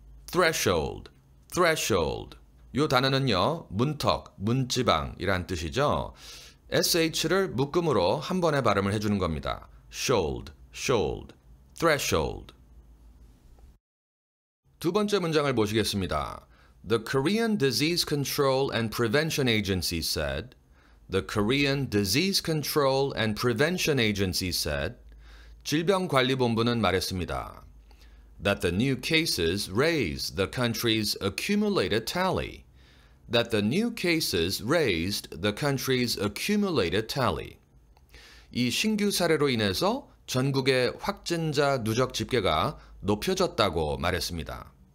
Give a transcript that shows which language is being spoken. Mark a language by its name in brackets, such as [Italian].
[English] threshold, threshold. [Korean] 요 단어는요, 문턱, 문지방이란 뜻이죠. sh를 묶음으로 한 번에 발음을 해주는 겁니다. [English] shold, shold, threshold. [Korean] 두 번째 문장을 보시겠습니다. [English] The Korean Disease Control and Prevention Agency said. The Korean Disease Control and Prevention Agency said. [Korean] 질병관리본부는 말했습니다. [English] That the new cases raised the country's accumulated tally. That the new cases raised the country's accumulated tally. [Korean] 이 신규 사례로 인해서 전국의 확진자 누적 집계가 높여졌다고 말했습니다.